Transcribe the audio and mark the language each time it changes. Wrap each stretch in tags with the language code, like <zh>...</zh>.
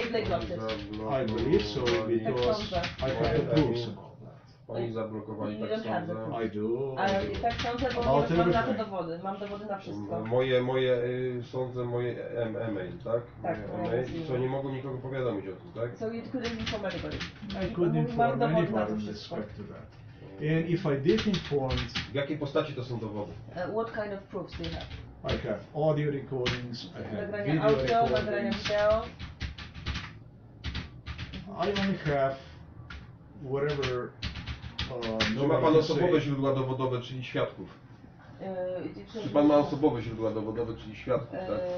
<en>I believe so, because I have the proofs about that.</en> <pl>Oni zablokowali, tak sądzę.</pl> <en>I do.</en> <pl>Tak sądzę, bo mam na to dowody. Mam dowody na wszystko. Moje, sądzę, moje e-mail, tak? Tak. Co nie mogą nikogo powiadomić o tym, tak?</pl> <en>So you couldn't inform anybody. I couldn't inform anybody with respect to that. And if I did inform...</en> <pl>W jakiej postaci to są dowody?</pl> <en>What kind of proofs do you have? I have audio recordings, I have video recordings. I only have whatever nobody say.</en> <pl>Czy ma pan osobowe źródła dowodowe, czyli świadków? Czy pan ma osobowe źródła dowodowe, czyli świadków, tak?</pl>